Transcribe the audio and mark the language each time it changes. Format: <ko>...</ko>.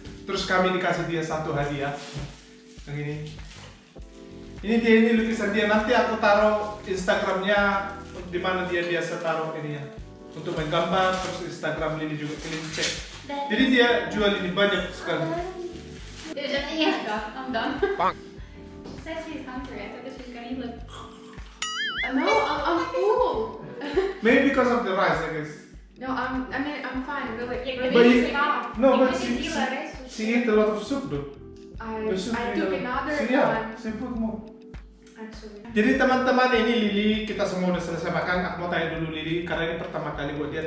<id>Terus kami dikasih dia satu hadiah. Yang ini. Ini dia, ini lukisan dia. Nanti aku taruh Instagramnya di mana dia biasa taruh ini ya. Untuk main gambar, terus Instagram Lily juga kalian cek. Jadi dia jual ini banyak sekali.</id> <en>Yeah, I'm done. She said she's hungry. I thought she's gonna eat like... No, I'm full. Maybe because of the rice, I guess. No, I'm fine. But like, yeah, but you eat a lot. No, but she eat a lot of soup, though. I took another one. She put more.</en> <id>Jadi teman-teman, ini Lily, kita semua udah selesai makan. Aku mau tanya dulu Lily, karena ini pertama kali buat dia.</id>